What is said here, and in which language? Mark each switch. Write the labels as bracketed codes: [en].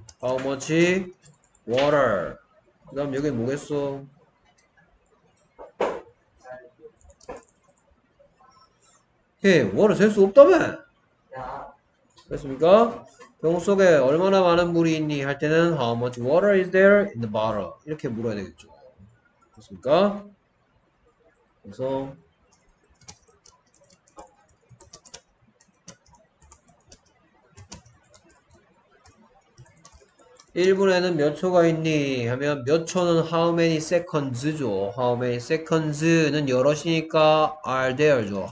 [en] How much water? [ko] 그 다음 여기 뭐겠어? 예, 워를 셀 수 없다면. 됐습니까? 병 속에 얼마나 많은 물이 있니? 할 때는 [en] How much water is there in the bottle? [ko] 이렇게 물어야 되겠죠. 됐습니까? 그래서 1분에는 몇 초가 있니? 하면 몇 초는 [en] how many seconds [ko] 죠. [en] How many seconds [ko] 는 여럿이니까 [en] are there [ko] 죠.